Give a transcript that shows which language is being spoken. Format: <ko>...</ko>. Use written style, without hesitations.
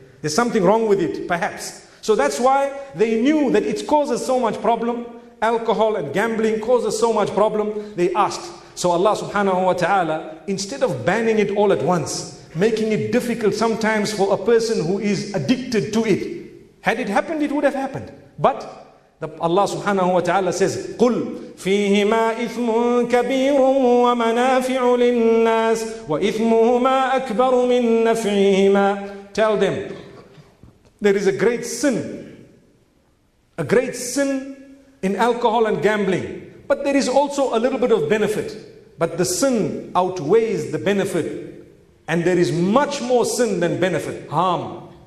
<en>There's something wrong with it, perhaps. So that's why they knew that it causes so much problem. Alcohol and gambling causes so much problem. They asked. So Allah subhanahu wa ta'ala, instead of banning it all at once, making it difficult sometimes for a person who is addicted to it. Had it happened, it would have happened. But</en> <ar>Allah subhanahu wa ta'ala says, قُلْ فِيهِمَا إِثْمٌ كَبِيرٌ وَمَنَافِعُ لِلنَّاسِ وَإِثْمُهُمَا أَكْبَرُ مِنْ نَفْعِهِمَا.</ar> <en>Tell them, there is a great sin. A great sin in alcohol and gambling. But there is also a little bit of benefit. But the sin outweighs the benefit. And there is much more sin than benefit. Harm.</en>